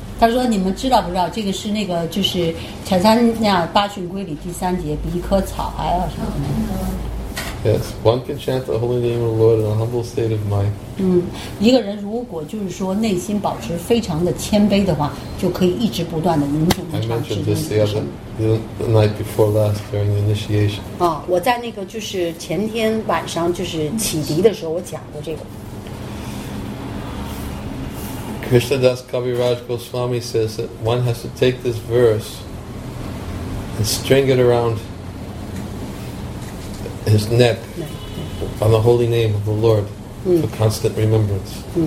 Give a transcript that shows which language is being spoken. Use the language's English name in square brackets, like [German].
[Chinese] 他说你们知道不知道这个是那个就是前三那八旬归里第三节比一棵草还要什么 [English] Yes, one can chant the holy name of the Lord in a humble state of mind. [Chinese] 一个人如果就是说内心保持非常的谦卑的话就可以一直不断的吟诵 [English] I mentioned this the night before last during the initiation. [Chinese] 我在那个就是前天晚上就是启迪的时候我讲过这个。 [English] Krishna Das Kaviraj Goswami says that one has to take this verse and string it around his neck on the holy name of the Lord for constant remembrance.